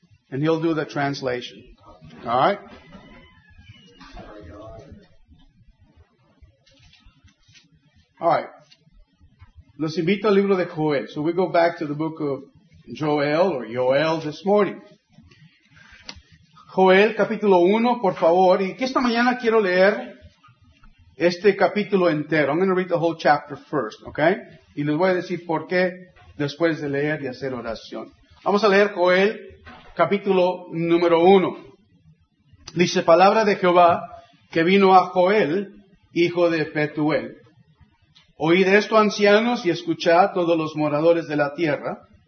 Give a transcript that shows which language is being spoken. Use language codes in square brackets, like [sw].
[en] And he'll do the translation. All right? All right. [es] Los invito al libro de Joel. [en] So we go back to the book of Joel or Yoel this morning. [es] Joel, capítulo 1, por favor. Y esta mañana quiero leer este capítulo entero. [en] I'm going to read the whole chapter first, okay? [es] Y les voy a decir por qué después de leer y hacer oración. Vamos a leer Joel, capítulo número 1. Dice, palabra de Jehová que vino a Joel, hijo de Petuel. Oíd esto, ancianos, y escuchad todos los moradores de la tierra.